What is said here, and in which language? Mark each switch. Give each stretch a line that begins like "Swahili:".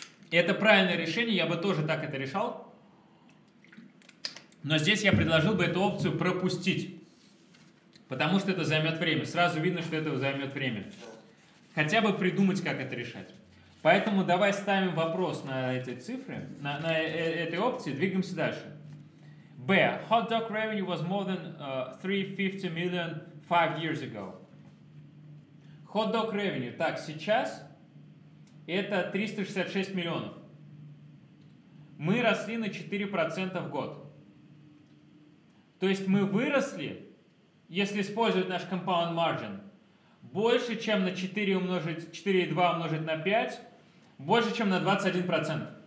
Russian: Это правильное решение, я бы тоже так это решал. Но здесь я предложил бы эту опцию пропустить. Потому что это займет время. Сразу видно, что это займет время. Хотя бы придумать, как это решать. Поэтому давай ставим вопрос на эти цифры, на этой опции, двигаемся дальше. B.
English: Hot dog revenue was more than $350 million 5 years ago. Hot dog revenue.
Russian: Так, сейчас это 366 миллионов. Мы росли на 4% в год. То есть мы выросли если использовать наш compound margin, больше, чем на 4,2 умножить на 5, больше, чем на 21%.